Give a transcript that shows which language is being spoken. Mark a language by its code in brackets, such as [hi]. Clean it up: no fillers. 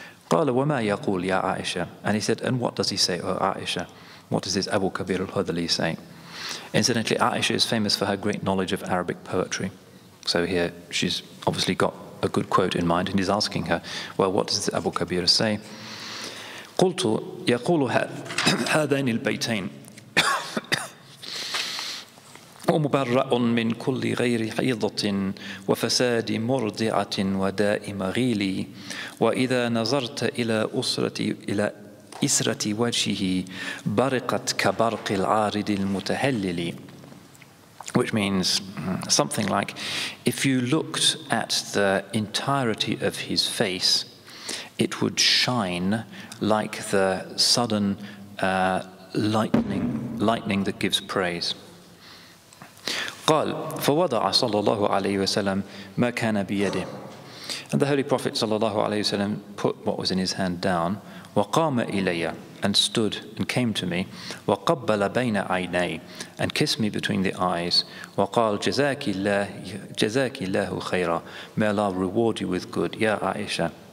[ar] قال وما يقول يا عائشة, [en] and he said, and what does he say, O Aisha? What does this Abu Kabir al-Hudhali say? Incidentally, Aisha is famous for her great knowledge of Arabic poetry. So here she's obviously got a good quote in mind, and he's asking her, well, what does this Abu Kabir say? [ar] قلت يقول هذين البيتين ومبرأ من كل غير حيضة وفساد مرضعة وداء مغيلي وإذا نظرت إلى إسرة وجهه برقت كبرق العارد المتهللي. [en] Which means something like, if you looked at the entirety of his face, it would shine like the sudden lightning that gives praise. [ar] قال فوضع صلى الله عليه وسلم ما كان بيده, [en] and the Holy Prophet صلى الله عليه وسلم put what was in his hand down. [ar] وقام إلي, [en] and stood and came to me. [ar] وقبل بين عيني, [en] and kissed me between the eyes. [ar] وقال جزاك الله خيرا, [en] may Allah reward you with good, [ar] يا عائشة.